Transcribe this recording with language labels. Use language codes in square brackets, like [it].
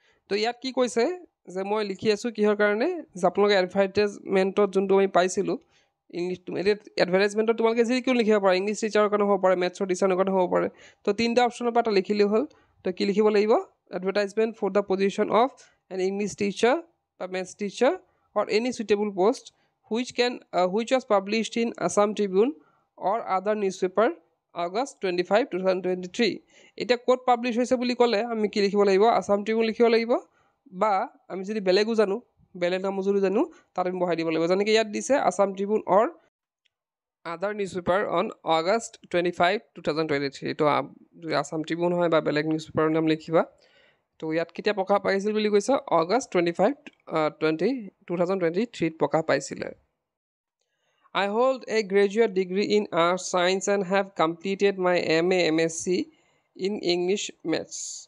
[as] তো ইয়াত কি কৈছে যে মই লিখি আছোঁ কিহৰ কাৰণে, যে আপোনালোকে এডভাৰটাইজমেণ্টত যোনটো আমি পাইছিলোঁ ইংলিছ, এতিয়া এডভাৰটাইজমেণ্টত তোমালোকে যিকোনো লিখিব পাৰা, ইংলিছ টিচাৰৰ কাৰণে হ'ব পাৰে, মেথছৰ টিচাৰৰ কাৰণে হ'ব পাৰে, তো তিনিটা অপশ্যনৰ পৰা এটা লিখিলেই হ'ল। তো কি লিখিব লাগিব, [en] Advertisement for the position of an English teacher বা maths teacher or any suitable post which was published in Assam Tribune or other newspaper August 25, 2023। [as] এতিয়া ক'ত পাব্লিছ হৈছে বুলি ক'লে আমি কি লিখিব লাগিব, আসাম ট্ৰিবিউন লিখিব লাগিব, বা আমি যদি বেলেগো জানো, বেলেগ নামো যদি জানো, তাত আমি বহাই দিব লাগিব। যেনেকৈ ইয়াত দিছে [en] Assam Tribune or other newspaper on August 25, 2023। [as] তো আসাম ট্ৰিবিউন হয় বা বেলেগ নিউজ পেপাৰৰ নাম লিখিবা। তো ইয়াত কেতিয়া প্ৰকাশ পাইছিল বুলি কৈছে, August 25, 2023 প্ৰকাশ পাইছিলে। [en] I hold a graduate degree in arts science and have completed my MA MSc in English maths.